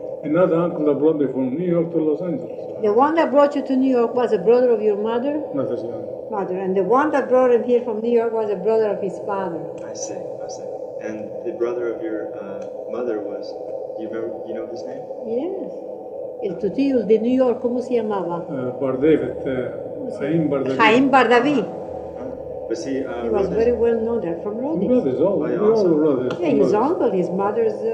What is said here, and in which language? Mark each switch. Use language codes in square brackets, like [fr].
[en] Another uncle that brought me from New York to Los Angeles. The one that brought you to New York was a brother of your mother? Mother's young. Mother. And the one that brought him here from New York was a brother of his father. I see. And the brother of your mother was, do you know his name? Yes. [es] El tutillo de New York, ¿cómo se llamaba? [en] Bar David. Chaim Bar David. Chaim Bar David. He was very well known there from Rhodes. Rhodes, all Rhodes. Yeah, his uncle, his mother's.